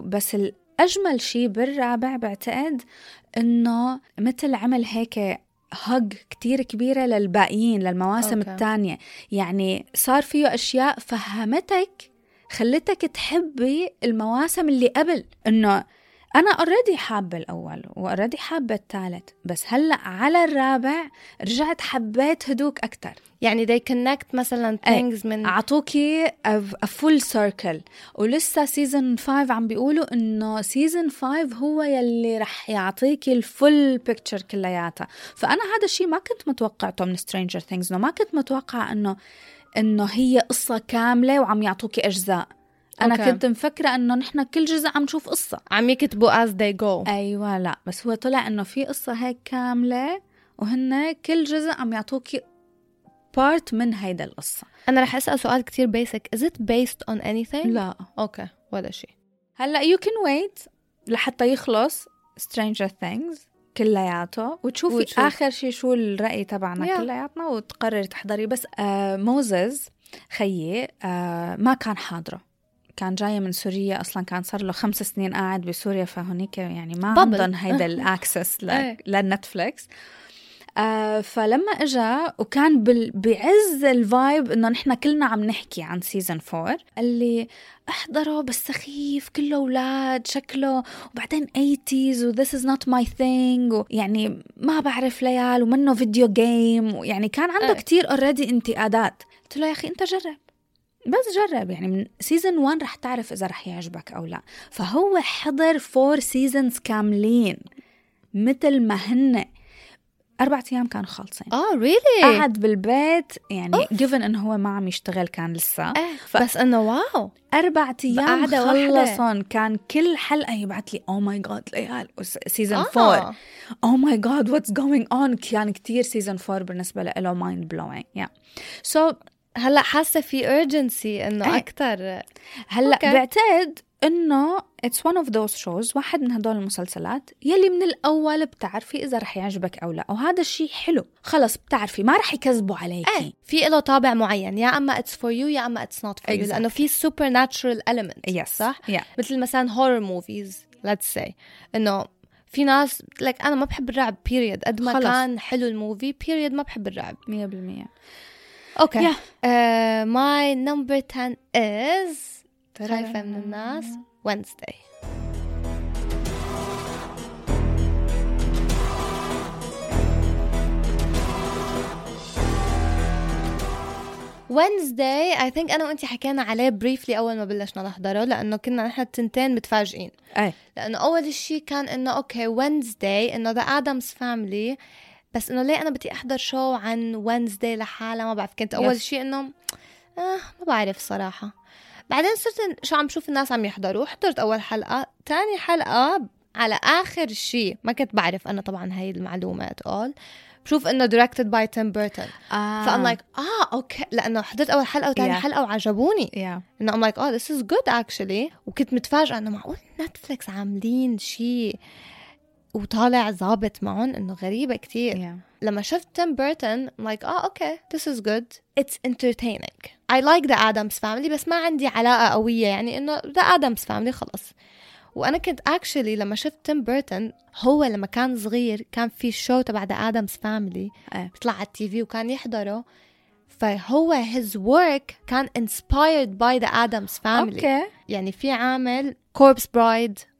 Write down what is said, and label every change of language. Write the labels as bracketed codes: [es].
[ar] بس الأجمل شي بالرابع بعتقد إنه مثل عمل هيك هج كتير كبيرة للباقيين للمواسم الثانية، يعني صار فيه أشياء فهمتك خلتك تحبي المواسم اللي قبل. إنه أنا أردي حابة الأول وأردي حابة الثالث، بس هلأ على الرابع رجعت حبيت هدوك أكتر. يعني [en] they connect [ar] مثلا [en] things [ar] من عطوكي [en] a full circle. [ar] ولسه season 5 عم بيقولوا إنه season 5 هو يلي رح يعطيكي ال [en] full picture [ar] كلياتها. فأنا هذا الشيء ما كنت متوقعته من Stranger Things، ما كنت متوقع إنه هي قصة كاملة وعم يعطوكي أجزاء. أنا كنت مفكرة أنه نحن كل جزء عم نشوف قصة عم يكتبوا [en] as they go. [ar] أيوة لا، بس هو طلع أنه في قصة هيك كاملة وهن كل جزء عم يعطوكي part من هيدا القصة. أنا رح أسأل سؤال كتير [en] basic، is it based on anything؟ [ar] لا. أوكي ولا شيء. هلأ [en] you can wait [ar] لحتى يخلص Stranger Things كلياته وتشوفي آخر شيء شو الرأي تبعنا كلياتنا وتقرر تحضري. بس موزز خيي ما كان حاضره، كان جاي من سوريا أصلاً، كان صار له 5 سنين قاعد بسوريا، فهونيك يعني ما عندهم هيدا الأكسس للنتفليكس. فلما إجا وكان بعز الفايب إنه نحنا كلنا عم نحكي عن سيزن 4، قال لي أحضره بس سخيف كله أولاد شكله، وبعدين 80s و [en] this is not my thing، [ar] يعني ما بعرف ليال ومنه فيديو جيم، يعني كان عنده كتير [en] already [ar] انتقادات. قلت له يا أخي أنت جرب، بس جرب يعني من سيزن 1 رح تعرف إذا رح يعجبك أو لا. فهو حضر 4 seasons كاملين مثل ما هن، 4 أيام كان خالصين. [en] Really؟ [ar] قعد بالبيت يعني [en] given [ar] أنه هو ما عم يشتغل كان لسه. بس أنه واو 4 أيام خلصون. كان كل حلقة يبعث لي [en] Oh my god ليال season 4 Oh my god what's going on. [ar] كان كتير season 4 بالنسبة له [en] mind blowing. Yeah. So [ar] هلأ حاسة في [en] urgency [ar] إنه أكتر هلأ okay. بعتقد إنه [en] it's one of those shows، [ar] واحد من هدول المسلسلات يلي من الأول بتعرفي إذا رح يعجبك أو لا، وهذا الشيء حلو. خلص بتعرفي ما رح يكذبوا عليكي. في له طابع معين، يا أما [en] it's for you [ar] يا أما [en] it's not for you. [ar] لأنه في [en] supernatural element. yes. [ar] صح؟ [en] yeah. [ar] مثل مثلا [en] horror movies let's say [ar] إنه في ناس [en] like [ar] أنا ما بحب الرعب [en] period، [ar] قد ما كان حلو الموفي period ما بحب الرعب [en] 100%. Okay. Yeah. My number 10 is [ar] خايفة من الناس [en] Wednesday. [ar] Wednesday [en] I think [ar] أنا وأنتي حكينا عليه [en] briefly [ar] أول ما بلشنا نحضره، لأنه كنا نحن التنتين متفاجئين. أي. لأنه أول شيء كان إنه okay Wednesday إنه the Addams Family، بس انه ليه انا بدي احضر شو عن وينزداي لحالها ما بعرف. كنت اول شيء انه ما بعرف صراحه، بعدين صرت شو عم شوف الناس عم يحضروا، حضرت اول حلقه، ثاني حلقه، على اخر شيء ما كنت بعرف انا طبعا هاي المعلومات اول، بشوف انه [en] directed by Tim Burton. [ar] فأنا [en] like [ar] اوكي، لانه حضرت اول حلقه وثاني حلقه وعجبوني. انه [en] I'm like this is good actually، [ar] وكنت متفاجئه انه معقول نتفليكس عاملين شيء وطالع ضابط معهم، انه غريبه كتير. لما شفت تيم بيرتون [en] I'm like okay this is good it's entertaining I like the Addams Family، [ar] بس ما عندي علاقه قويه يعني انه [en] the Addams Family خلص. [ar] وانا كنت [en] actually [ar] لما شفت تيم بيرتون هو لما كان صغير كان في شو تبع the Addams Family بيطلع على التي في وكان يحضره، فهو [en] his work [ar] كان [en] inspired by [ar] the Addams Family. يعني في عامل Corpse Bride